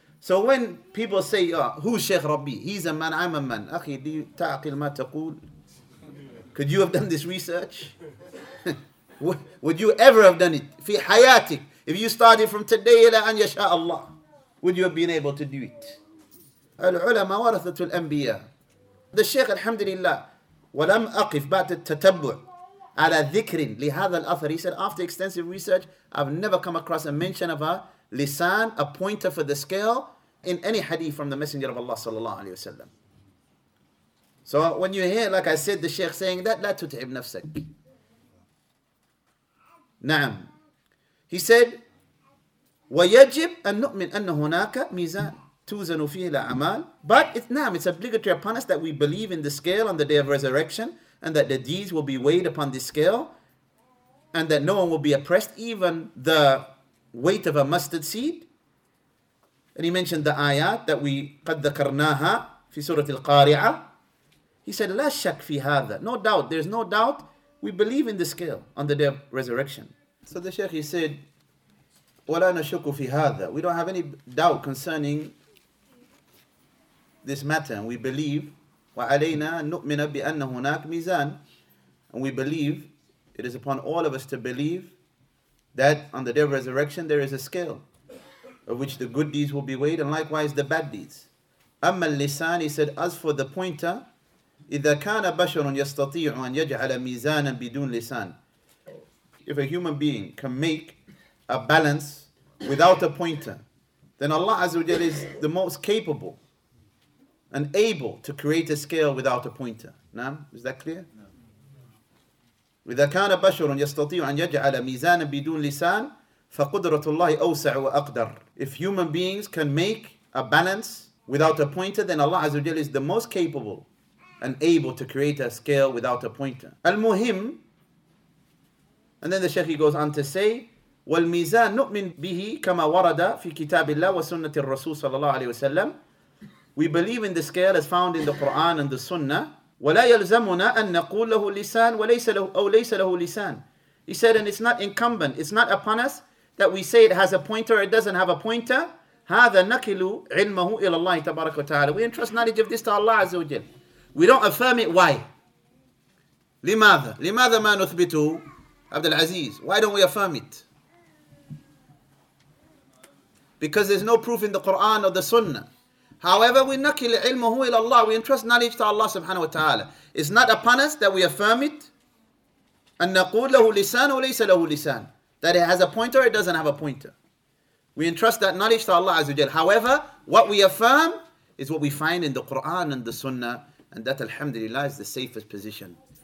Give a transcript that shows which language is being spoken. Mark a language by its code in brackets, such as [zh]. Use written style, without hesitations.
[en] So when people say, oh, who's Sheikh Rabbi? He's a man, I'm a man. Akhi, do you [ar] ta'aqil ma taqul? [en] Could you have done this research? Would you ever have done it? [ar] Fi hayatik. [en] If you started from today [ar] ila an yasha Allah, [en] would you have been able to do it? [ar] العلماء ورثة الأنبياء. [en] The Sheikh, alhamdulillah, [ar] ولم أقف بعد التتبع على ذكر لهذا الأثر. [en] He said, after extensive research, I've never come across a mention of a lisan, a pointer for the scale, in any hadith from the Messenger of Allah sallallahu alayhi wa sallam. So when you hear, like I said, the Sheikh saying that, [ar] لا تتعب نفسك. Naam. [en] He said, [ar] وَيَجِبْ أَن نُؤْمِنْ أَنَّ هُنَاكَ مِيزَانٍ تُوزَنُ فِيهِ الْأَعْمَالِ. [en] But it's naam, it's obligatory upon us that we believe in the scale on the day of resurrection, and that the deeds will be weighed upon this scale, and that no one will be oppressed, even the weight of a mustard seed. And he mentioned the ayat that we [ar] قَدْ ذَكَرْنَاهَا فِي سُورَةِ الْقَارِعَةِ. He said, لَا شَكْ فِي هَذَا. [en] No doubt, there's no doubt. We believe in the scale on the day of resurrection. So the Shaykh, he said, [ar] وَلَا نَشُكُ فِي هَذَا. [en] We don't have any doubt concerning this matter. We believe, [ar] وَعَلَيْنَا نُؤْمِنَ بِأَنَّ هُنَاكَ مِيزَانٍ. [en] And we believe, it is upon all of us to believe, that on the day of resurrection there is a scale of which the good deeds will be weighed, and likewise the bad deeds. [ar] أَمَّا اللِّسَانِ, [en] he said, as for the pointer, [ar] إِذَا كَانَ بَشَرٌ يَسْتَطِيعُ أَنْ يَجْعَلَ مِيزَانًا بِدُونَ لِسَانٍ. [en] If a human being can make a balance without a pointer, then Allah Azza wa Jalla is the most capable and able to create a scale without a pointer. Naam, is that clear? [ar] إِذَا كَانَ بَشَرٌ يَسْتَطِيعُ أَنْ يَجْعَلَ مِيزَانًا بِدُونَ لِسَانٍ. فَقُدْرَةُ اللَّهِ أَوْسَعُ وَأَقْدَرُ. [en] If human beings can make a balance without a pointer, then Allah Azza wa Jalla is the most capable and able to create a scale without a pointer. Al-Muhim, and then the Shaykh goes on to say, [ar] وَالْمِيزَانُ نُؤْمِن بِهِ كَمَا وَرَدَ فِي كِتَابِ اللَّهِ وَسُنَّةِ الرَّسُولِ صَلَى اللَّهُ عَلَيْهِ وَسَلَّمُ. [en] We believe in the scale as found in the Quran and the Sunnah. [ar] وَلَا يَلْزَمُنَا أَن نَقُولَ لَهُ لِسَانٌ [en] وَلَيْسَ لَهُ أَوْ لَيْسَ لَهُ لِسَانٌ. He said, and it's not incumbent, it's not upon us that we say it has a pointer or it doesn't have a pointer. [ar] هَذَا نَكِلُ عِلْمَهُ إِلَى اللَّهِ تَبَارَكَ وَتَعَالَى. [en] We entrust knowledge of this to Allah Azza wa Jal. We don't affirm it. Why? [ar] لِمَاذَا؟ لِمَاذَا مَا نُثْبِتُ Abdul Aziz? [en] Why don't we affirm it? Because there's no proof in the Quran or the Sunnah. However, we [ar] نَكِلْ عِلْمَهُ إِلَى اللَّهِ. [en] We entrust knowledge to Allah subhanahu wa ta'ala. It's not upon us that we affirm it. [ar] أَنَّقُولَ لَهُ لِسَانٌ وَلَيْسَ لَهُ لِسَانٌ. [en] That it has a pointer, it doesn't have a pointer. We entrust that knowledge to Allah Azza wa Jalla. However, what we affirm is what we find in the Quran and the Sunnah, and that alhamdulillah is the safest position.